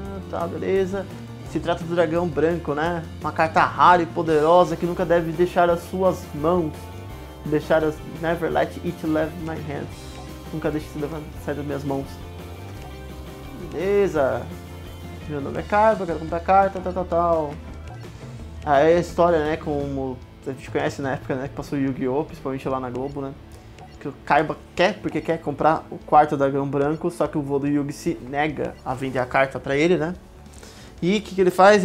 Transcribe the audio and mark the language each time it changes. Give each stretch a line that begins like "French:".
Portuguese: Tá, beleza. Se trata do dragão branco, né? Uma carta rara e poderosa que nunca deve deixar as suas mãos. Deixar as...
English: Never let it leave my hands.
Portuguese: Nunca deixe isso sair das minhas mãos. Beleza. Meu nome é Karba, quero comprar carta, tal, tal, tal. Aí a história, né, como a gente conhece na época, né, que passou o Yu-Gi-Oh!, principalmente lá na Globo, né? Que o Karba quer, porque quer comprar o quarto dragão branco, só que o vô do Yugi se nega a vender a carta pra ele, né? E o que, que ele faz?